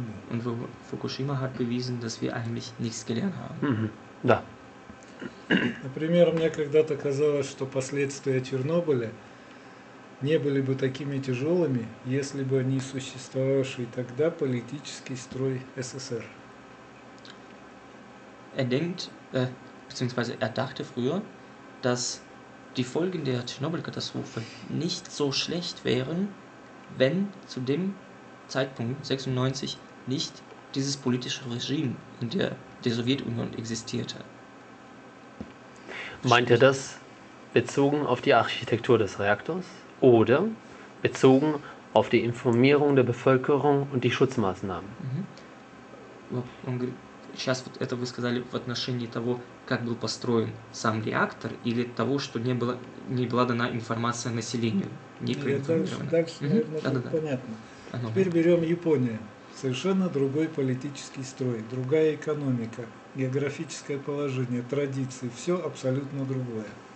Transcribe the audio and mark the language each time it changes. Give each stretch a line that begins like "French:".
German: Und Fukushima hat bewiesen, dass wir eigentlich nichts gelernt haben. Mhm. Ja.
Russian: Например, мне когда-то казалось, что последствия Чернобыля не были бы такими тяжелыми, если бы не существовавший тогда политический строй СССР.
German: Er denkt, beziehungsweise er dachte früher, dass die Folgen der Tschernobyl-Katastrophe nicht so schlecht wären, wenn zu dem Zeitpunkt 1996 nicht dieses politische Regime in der Sowjetunion existierte. Meint er das bezogen auf die Architektur des Reaktors oder bezogen auf die Informierung der Bevölkerung und die Schutzmaßnahmen? Mhm.
Russian: Сейчас вот это вы сказали в отношении того, как был построен сам реактор, или того, что не была дана информация населению, не проинформирована. Дальше, наверное, понятно. Теперь берем Японию. Совершенно другой политический строй, другая экономика, географическое положение, традиции, все абсолютно другое.